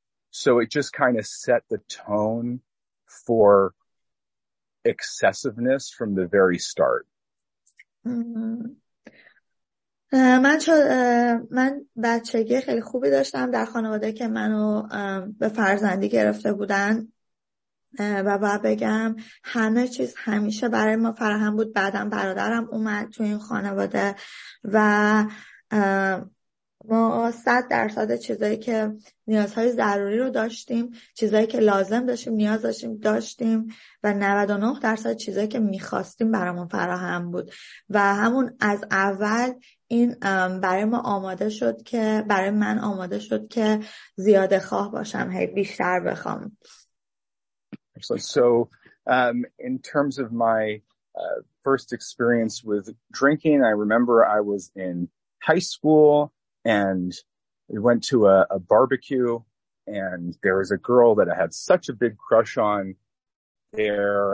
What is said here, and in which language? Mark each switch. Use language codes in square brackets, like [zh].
[en] So it just kind of set the tone for excessiveness from the very start. [fa] من بچگی خیلی خوبی داشتم در خانواده که منو به فرزندی گرفته بودن، و باید بگم همه چیز همیشه برای ما فراهم بود. بعدم برادرم اومد تو این خانواده و ما 100% چیزایی که نیازهای ضروری رو داشتیم، چیزایی که لازم داشتیم، نیاز داشتیم، داشتیم، و 99% چیزایی که میخواستیم برامون فراهم بود. و همون از اول این برای ما آماده شد که برای من آماده شد که زیاده خواه باشم، هی بیشتر بخوام. [en] So in terms of my first experience with drinking, I remember I was in high school. And we went to a barbecue, and there was a girl that I had such a big crush on there.